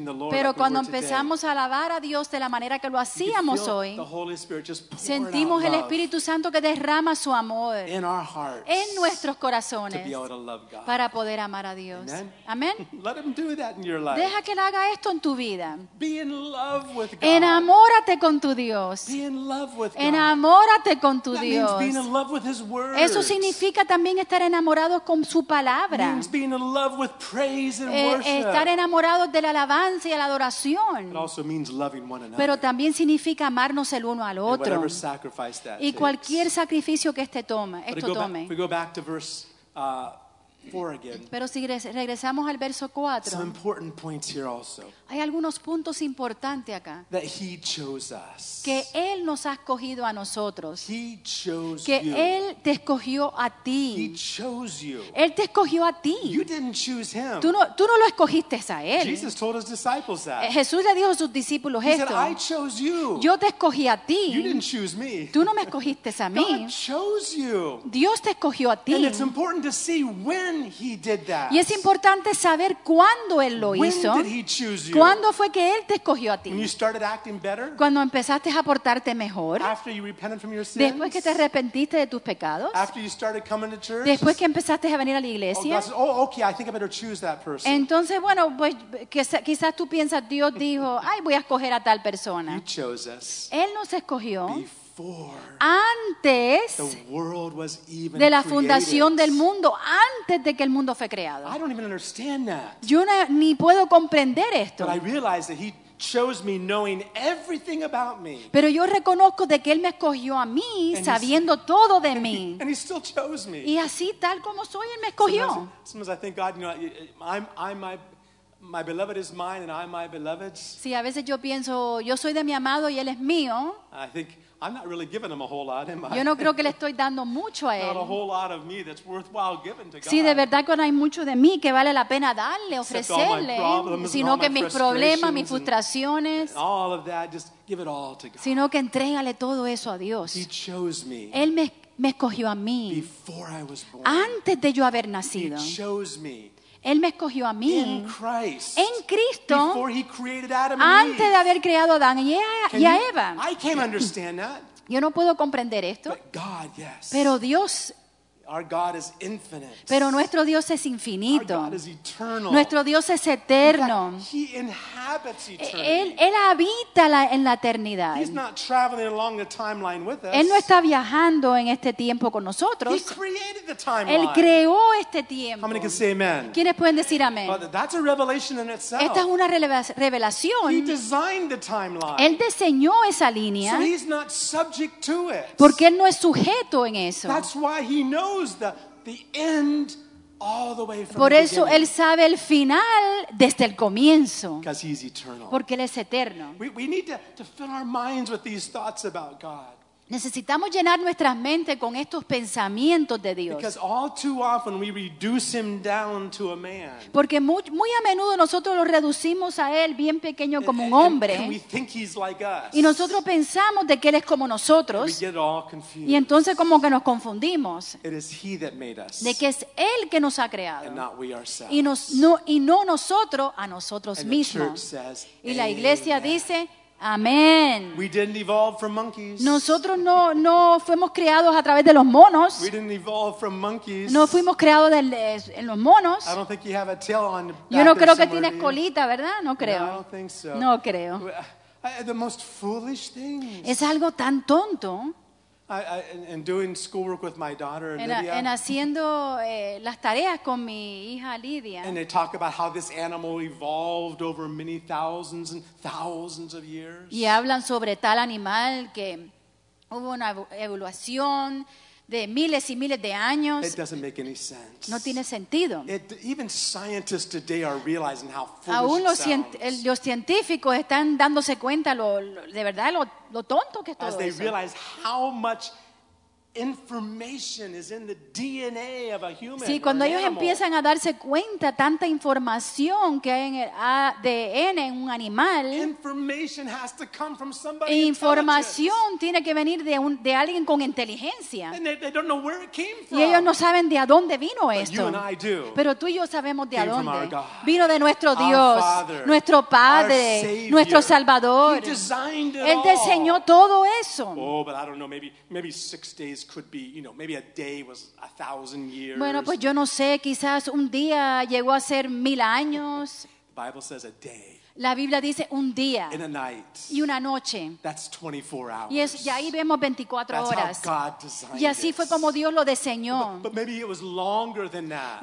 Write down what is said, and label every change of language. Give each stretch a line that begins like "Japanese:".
Spanish: Pero cuando empezamos a alabar a Dios de la manera que lo hacíamos hoy, sentimos el Espíritu Santo que derrama su amor en nuestros corazones para poder amar a Dios. Amén. Deja que Él haga esto en tu vida. Enamórate con tu Dios. Enamórate con tu Dios. Eso significa también estar enamorados con su palabra.
English: It means being in love with praise and worship.
Spanish: Estar enamorados de la alabanza y la adoración.
English: It also means loving one another.
Spanish: Pero también significa amarnos el uno al otro.
English: And whatever sacrifice that
Spanish: y cualquier
English: takes.
Spanish: Sacrificio que este tome, esto tome.
English: We go back to verse 4 again.
Spanish: Pero si regresamos al verso 4.
English: Some important points here also.
Spanish: Hay algunos puntos importantes acá.
English: That he chose us.
Spanish: Que él nos ha escogido a nosotros.
English: He chose
Spanish: que
English: you.
Spanish: Que él te escogió a ti.
English: He chose you.
Spanish: Él te escogió a ti.
English: You didn't choose him.
Spanish: Tú no lo escogiste a él.
English: Jesus told his disciples that.
Spanish: Jesús le dijo a sus discípulos
English: he
Spanish: esto.
English: He said, I chose you.
Spanish: Yo te escogí a ti.
English: You didn't choose me.
Spanish: Tú no me escogiste a mí.
English: God chose you.
Spanish: Dios te escogió a ti.
English: And it's important to see when he did that.
Spanish: Y es importante saber cuándo él lo hizo.
English: When did he choose you?
Spanish: ¿Cuándo fue que él te escogió a ti?
English: When you started acting better?
Spanish: Cuando empezaste a portarte mejor.
English: After you repented from your sins?
Spanish: Después que te arrepentiste de tus pecados.
English: After you started coming to church?
Spanish: Después que empezaste a venir a la iglesia.
English: Oh, God says, oh, okay, I think I better choose that person.
Spanish: Entonces, bueno, pues quizás tú piensas Dios dijo, "Ay, voy a escoger a tal persona."
English: He chose us.
Spanish: Él nos escogió.
English: Before
Spanish: antes de la fundación del mundo, antes de que el mundo fue creado.
English: I don't even understand that.
Spanish: Yo no, ni puedo comprender esto.
English: But I realize that he shows me knowing everything about me.
Spanish: Pero yo reconozco de que él me escogió a mí sabiendo todo de mí.
English: And he still chose me.
Spanish: Y así tal como soy él me escogió.
English: Sometimes I think God, you know, my beloved is mine and I'm my beloved's.
Spanish: Sí, a veces yo pienso, yo soy de mi amado y él es mío.
English: I think I'm not really giving him a whole lot, am I?
Spanish: Yo no creo que le estoy dando mucho a él.
English: Not a whole lot of me that's worthwhile giving to God.
Spanish: Sí, de verdad que no hay mucho de mí que vale la pena darle, ofrecerle, sino que mis problemas, mis frustraciones.
English: And all of that, just give it all to God.
Spanish: Sino que entrégale todo eso a Dios.
English: He chose me.
Spanish: Él me escogió a mí.
English: Before I was born.
Spanish: Antes de yo haber nacido.
English: He chose me.
Spanish: Él me escogió a mí en Cristo antes de haber creado a Adán y a Eva.
English: I can't understand that.
Spanish: Yo no puedo comprender esto.
English: But God, yes.
Spanish: Pero Dios.
English: Our God is infinite.
Spanish: Pero nuestro Dios es infinito.
English: Our God is eternal.
Spanish: Nuestro Dios es eterno.
English: He inhabits eternity.
Spanish: Él habita en la eternidad.
English: He's not traveling along the timeline with us.
Spanish: Él no está viajando en este tiempo con nosotros.
English: He created the timeline.
Spanish: Él creó este tiempo.
English: How many can say amen?
Spanish: ¿Quiénes pueden decir amén?
English: But that's a revelation in itself.
Spanish: Esta es una revelación.
English: He designed the timeline.
Spanish: Él diseñó esa línea.
English: So he's not subject to it.
Spanish: Porque él no es sujeto en eso.
English: That's why he knows. The end all the way from
Spanish: Por eso
English: the
Spanish: él sabe el final desde el comienzo. Porque él es eterno.
English: We need to fill our minds with these thoughts about God.
Spanish: Necesitamos llenar nuestras mentes con estos pensamientos de Dios.
English: Because all too often we reduce him down to a man.
Spanish: Porque muy, muy a menudo nosotros lo reducimos a él bien pequeño como un hombre.
English: And we think he's like us.
Spanish: Y nosotros pensamos de que él es como nosotros.
English: And we get all confused.
Spanish: Y entonces como que nos confundimos.
English: It is he that made us.
Spanish: De que es él que nos ha creado.
English: And not we ourselves.
Spanish: Y no nosotros a nosotros
English: and
Spanish: mismos.
English: The church says,
Spanish: y la iglesia dice amén.
English: We didn't evolve from monkeys.
Spanish: Nosotros no fuimos creados a través de los monos.
English: We didn't evolve from monkeys.
Spanish: No fuimos creados en los monos.
English: I don't think you have a tail on the back.
Spanish: Yo no creo que tienes colita, ¿verdad? No creo.
English: No, I don't think so.
Spanish: No creo.
English: The most foolish things.
Spanish: Es algo tan tonto.
English: In doing schoolwork with my daughter Lydia.
Spanish: En haciendo las tareas con mi hija Lydia.
English: And they talk about how this animal evolved over many thousands and thousands of years.
Spanish: Y hablan sobre tal animal que hubo una evolución de miles y miles de años.
English: It doesn't make any sense.
Spanish: No tiene sentido.
English: Even scientists today are realizing how foolish
Spanish: aún los científicos están dándose cuenta lo tonto que es todo eso.
English: As they realize how much information is in the DNA of a human.
Spanish: Sí, cuando
English: or
Spanish: ellos
English: an animal.
Spanish: Empiezan a darse cuenta tanta información que hay en el ADN en un animal.
English: Information has to come from somebody.
Spanish: Información tiene que venir de alguien con inteligencia.
English: And they don't know where it came from.
Spanish: Y ellos no saben de a dónde vino esto.
English: But you and I do.
Spanish: Pero tú y yo sabemos de
English: came
Spanish: a dónde.
English: From our God.
Spanish: Vino de nuestro
English: our
Spanish: Dios,
English: Father,
Spanish: nuestro Padre,
English: our Savior.
Spanish: Nuestro Salvador.
English: He designed it
Spanish: Él diseñó
English: all.
Spanish: Todo eso.
English: Oh, but I don't know, maybe 6 days. Could be, you know, maybe a day was 1,000 years.
Spanish: Bueno, pues yo no sé, quizás un día llegó a ser 1,000 años.
English: The Bible says a day.
Spanish: La Biblia dice un día.
English: In a night.
Spanish: Y una noche.
English: That's 24 hours.
Spanish: Y ahí vemos 24
English: That's how God designed it.
Spanish: Y así fue como Dios lo diseñó.
English: But maybe it was longer than that.